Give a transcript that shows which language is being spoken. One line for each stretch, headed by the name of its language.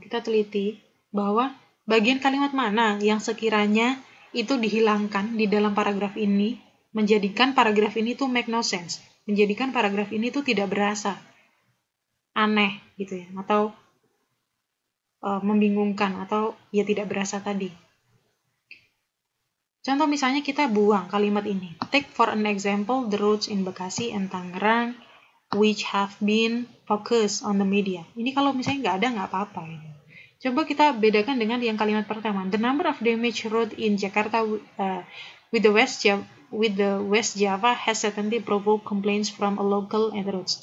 Indonesian: Kita teliti bahwa bagian kalimat mana yang sekiranya itu dihilangkan di dalam paragraf ini menjadikan paragraf ini tuh
English: make no sense,
Indonesian: menjadikan paragraf ini tuh tidak berasa, aneh gitu ya, atau membingungkan, atau ya tidak berasa tadi. Contoh misalnya kita buang kalimat ini.
English: Take for an example the roads in Bekasi and Tangerang which have been focused on the media.
Indonesian: Ini kalau misalnya nggak ada, nggak apa-apa. Ini. Coba kita bedakan dengan yang kalimat pertama.
English: The number of damaged road in Jakarta with the West Java has certainly provoked complaints from a local and roads.